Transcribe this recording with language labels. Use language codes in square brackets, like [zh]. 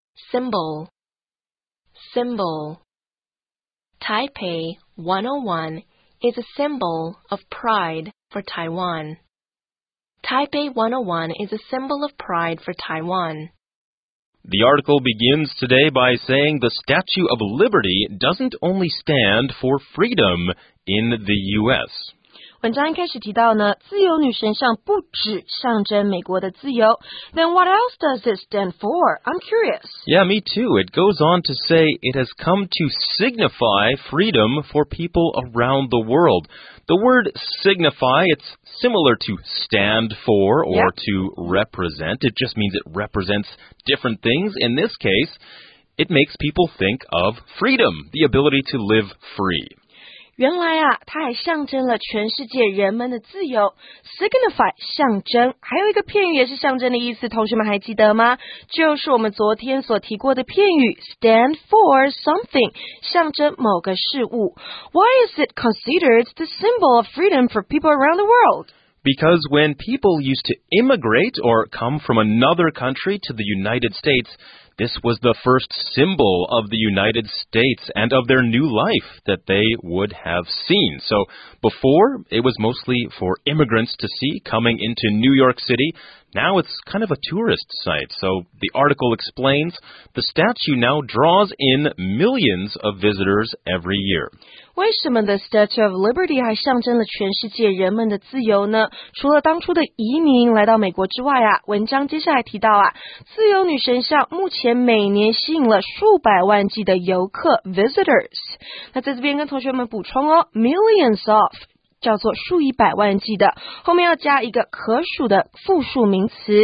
[en] Symbol. Symbol. Taipei 101 is a symbol of pride for Taiwan. Taipei 101 is a symbol of pride for Taiwan. The article begins today by saying the Statue of Liberty doesn't only stand for freedom in the U.S. [zh] 文章一开始提到呢，自由女神像不只象征美国的自由。 [en] Then what else does it stand for? I'm curious. Yeah, me too. It goes on to say it has come to signify freedom for people around the world. The word signify, it's similar to stand for or to represent. It just means it represents different things. In this case, it makes people think of freedom, the ability to live free. [zh] 原来啊，它还象征了全世界人们的自由。 Signify 象征，还有一个片语也是象征的意思，同学们还记得吗？就是我们昨天所提过的片语 [en] stand for something， [zh] 象征某个事物。 [en] Why is it considered the symbol of freedom for people around the world? Because when people used to immigrate or come from another country to the United States, this was the first symbol of the United States and of their new life that they would have seen. So before, it was mostly for immigrants to see coming into New York City. Now it's kind of a tourist site. So the article explains the statue now draws in millions of visitors every year. [zh] 为什么 The Statue of Liberty 还象征了全世界人们的自由呢？除了当初的移民来到美国之外啊，文章接下来提到啊，自由女神像目前每年吸引了数百万计的游客 visitors。那在这边跟同学们补充哦 ，millions of 叫做数以百万计的，后面要加一个可数的复数名词。